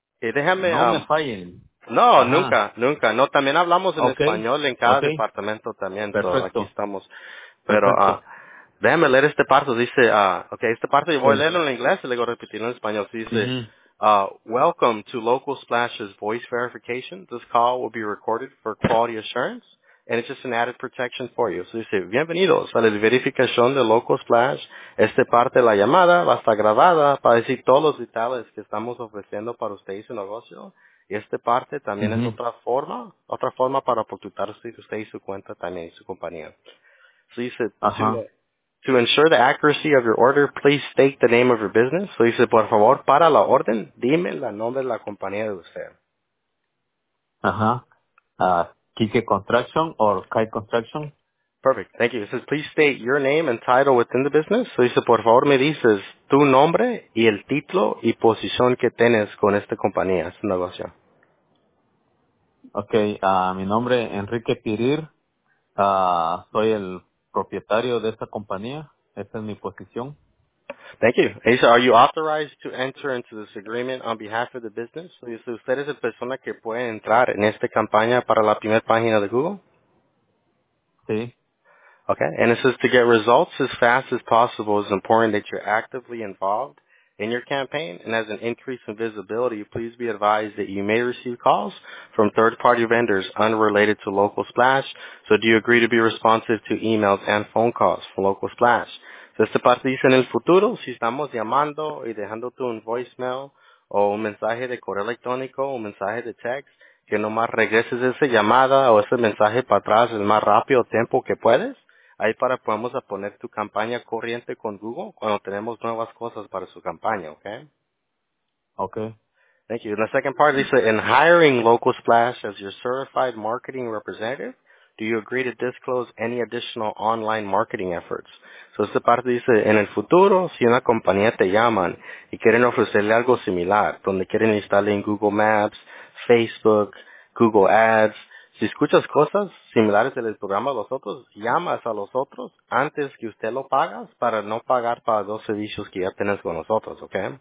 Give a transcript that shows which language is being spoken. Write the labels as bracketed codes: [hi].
[es] Y déjame, no me fallen. No, nunca. No, también hablamos en español en cada departamento también. Perfecto. Pero aquí estamos. Pero, déjame leer este parte. Dice, okay, este parte yo voy a leerlo en inglés y luego repetirlo en español. [en] Dice, welcome to Local Splash's voice verification. This call will be recorded for quality assurance. And it's just an added protection for you. [es] So dice, bienvenidos a la verificación de Local Splash. Esta parte de la llamada va a estar grabada para decir todos los detalles que estamos ofreciendo para usted y su negocio. Y esta parte también es otra forma para oportunizar usted y su cuenta también y su compañía. [en] So dice, to ensure the accuracy of your order, please state the name of your business. [es] So dice, por favor, para la orden, dime el nombre de la compañía de usted. [en] Kike Construction or Kai Construction. Perfect. Thank you. It says, please state your name and title within the business. [es] So dice, por favor, me dices tu nombre y el título y posición que tienes con esta compañía, este negocio. Okay. Mi nombre es Enrique Pirir. Soy el propietario de esta compañía. Esta es mi posición. [en] Thank you. Asa, are you authorized to enter into this agreement on behalf of the business? [es] So, dice, ¿usted es la persona que puede entrar en esta campaña para la primera página de Google? Sí. [en] Okay. And it says, to get results as fast as possible, it's important that you're actively involved in your campaign. And as an increase in visibility, please be advised that you may receive calls from third-party vendors unrelated to Local Splash. So, do you agree to be responsive to emails and phone calls for Local Splash? [es] Esta parte dice, en el futuro, si estamos llamando y dejándote un voicemail o un mensaje de correo electrónico o un mensaje de text, que nomás regreses esa llamada o ese mensaje para atrás el más rápido tiempo que puedes, ahí para podemos poner tu campaña corriente con Google cuando tenemos nuevas cosas para su campaña, ¿ok? [en] Ok. Thank you. And the second part dice, in hiring Local Splash as your certified marketing representative, do you agree to disclose any additional online marketing efforts? [es] So, esta parte dice, en el futuro, si una compañía te llaman y quieren ofrecerle algo similar, donde quieren instalarle en Google Maps, Facebook, Google Ads, si escuchas cosas similares del programa de los otros, llamas a los otros antes que usted lo pagas para no pagar para dos servicios que ya tienes con nosotros, ¿ok?